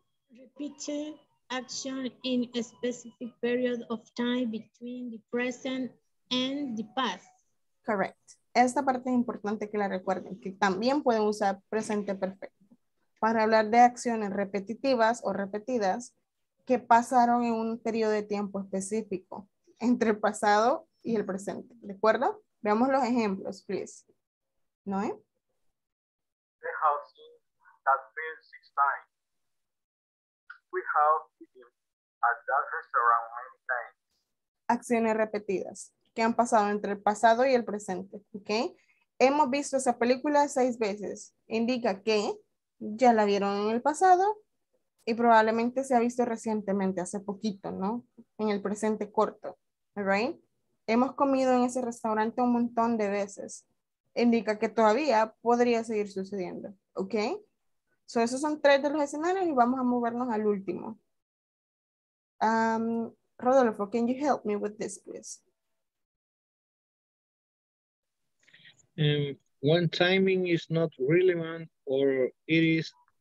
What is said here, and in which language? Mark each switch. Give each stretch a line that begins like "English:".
English: Repite action in a specific period of time between the present and the past. Correct.
Spanish: Esta parte es importante que la recuerden, que también pueden usar presente perfecto para hablar de acciones repetitivas o repetidas que pasaron en un periodo de tiempo específico entre el pasado y el presente. ¿De acuerdo? Veamos los ejemplos, please. ¿No, eh?
English: The house has been 6 times. We have been at that restaurant many times.
Spanish: Acciones repetidas que han pasado entre el pasado y el presente. ¿Ok? Hemos visto esa película 6 veces. Indica que ya la vieron en el pasado y probablemente se ha visto recientemente, hace poquito, ¿no? En el presente corto.
English: All right?
Spanish: Hemos comido en ese restaurante un montón de veces. Indica que todavía podría seguir sucediendo. ¿Ok? So, esos son 3 de los escenarios y vamos a movernos al último.
English: Rodolfo, can you help me with this, please? When timing is not relevant or it is